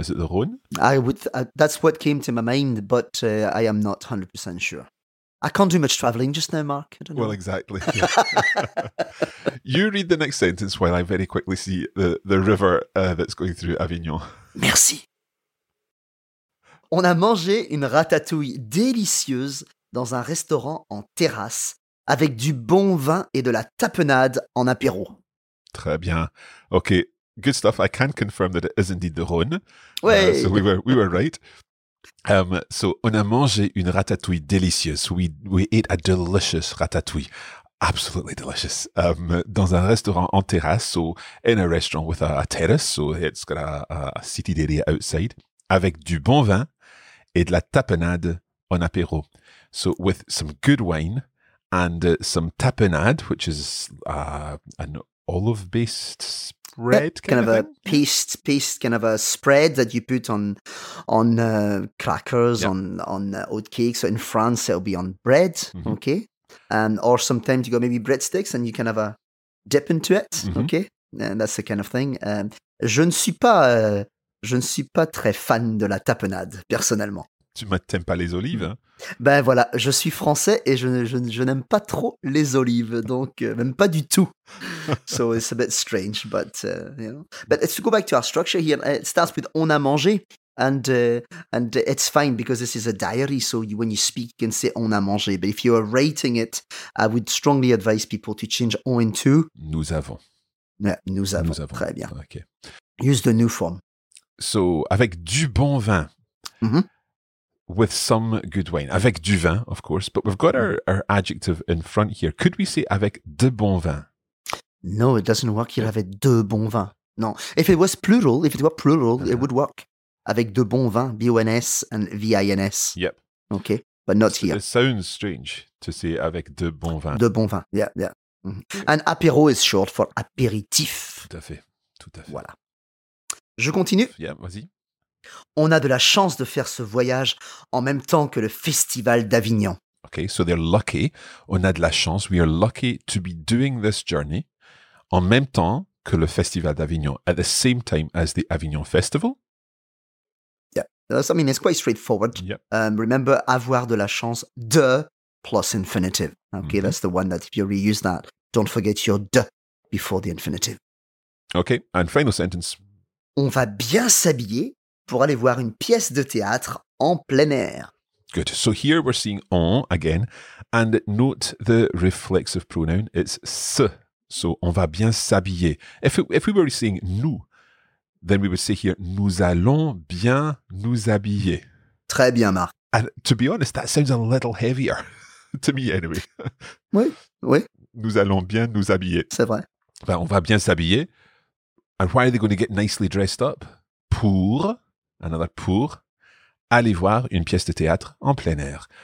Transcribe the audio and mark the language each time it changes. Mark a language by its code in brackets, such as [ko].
[en] Is it the Rhône? That's what came to my mind, but I am not 100% sure. I can't do much travelling just now, Mark. I don't know. Well, exactly. Yeah. You read the next sentence while I very quickly see the river that's going through Avignon. [fr] Merci. On a mangé une ratatouille délicieuse dans un restaurant en terrasse avec du bon vin et de la tapenade en apéro. Très bien. [en] OK, good stuff. I can confirm that it is indeed the Rhône. [fr] Ouais. [en] So we were right. So [fr] on a mangé une ratatouille délicieuse. [en] We ate a delicious ratatouille. Absolutely delicious. [fr] Dans un restaurant en terrasse, [en] so in a restaurant with a terrace, so it's got a seated area outside, [fr] avec du bon vin et de la tapenade en apéro. [en] So with some good wine and some tapenade, which is an olive-based spread, kind of a spread that you put on crackers, yep, on oatcakes. So in France, it'll be on bread, mm-hmm, okay? Or sometimes you got maybe breadsticks and you can have a dip into it, mm-hmm, okay? And that's the kind of thing. [fr] Je ne suis pas très fan de la tapenade, personnellement. Tu n'aimes pas les olives, hein? Ben voilà, je suis français et je n'aime pas trop les olives, donc même pas du tout. [en] So it's a bit strange, but you know. But to go back to our structure here, it starts with [fr] on a mangé, [en] and it's fine because this is a diary, so when you speak, you can say on a mangé. But if you are writing it, I would strongly advise people to change on into [fr] nous avons. [en] Yeah, [fr] nous avons. Nous avons. Très bien. [en] Okay. Use the new form. So [fr] avec du bon vin. Mm-hmm. [en] With some good wine. [fr] Avec du vin, [en] of course. But we've got our adjective in front here. Could we say [fr] avec de bon vin? [en] No, it doesn't work. [fr] Il avait de bon vin. [en] No. If it were plural, uh-huh, it would work. [fr] Avec de bon vin. B-O-N-S and V-I-N-S. [en] Yep. Okay. But not here. It sounds strange to say avec de bon vin. [fr] De bon vin. [en] Yeah, yeah. Mm-hmm. And apéro is short for apéritif. [fr] Tout à fait. Voilà. Je continue. [en] Yeah, [fr] vas-y. On a de la chance de faire ce voyage en même temps que le Festival d'Avignon. [en] Okay, so they're lucky. [fr] On a de la chance. [en] We are lucky to be doing this journey [fr] en même temps que le Festival d'Avignon. [en] At the same time as the Avignon Festival. Yeah, I mean, it's quite straightforward. Yeah. Remember, [fr] avoir de la chance, [en] de plus infinitive. Okay, mm-hmm, that's the one that if you reuse that, don't forget your de before the infinitive. Okay, and final sentence. [fr] On va bien s'habiller pour aller voir une pièce de théâtre en plein air. [en] Good. So here we're seeing on again. And note the reflexive pronoun. It's se. So [fr] on va bien s'habiller. [en] If we were saying nous, then we would say here, [fr] nous allons bien nous habiller. Très bien, Marc. [en] And to be honest, that sounds a little heavier to me anyway. [fr] Oui, oui. Nous allons bien nous habiller. C'est vrai. Ben, on va bien s'habiller. [en] And why are they going to get nicely dressed up? [fr] Pour... [en] Another [fr] pour aller voir une pièce de théâtre en plein air.